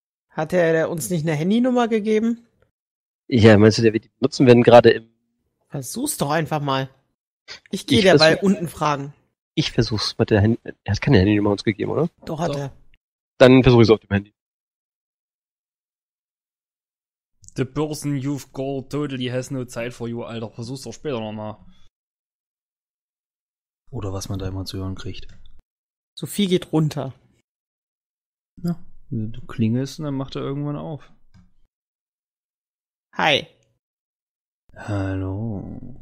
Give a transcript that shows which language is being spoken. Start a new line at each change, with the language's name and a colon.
German: Hat er uns nicht eine Handynummer gegeben? Ja, meinst du, der wird die benutzen werden gerade im... Versuch's doch einfach mal. Ich gehe dabei unten fragen. Ich versuch's mit der Handy. Er hat keine Handynummer uns gegeben, oder? Doch, hat er. Dann versuch ich's auf dem Handy.
English: The person you've called totally has no time for you, Alter.
German: Versuch's doch später nochmal. Oder was man da immer zu hören kriegt. Sophie geht runter. Ja. Du klingelst und dann macht er irgendwann auf. Hi. Hallo.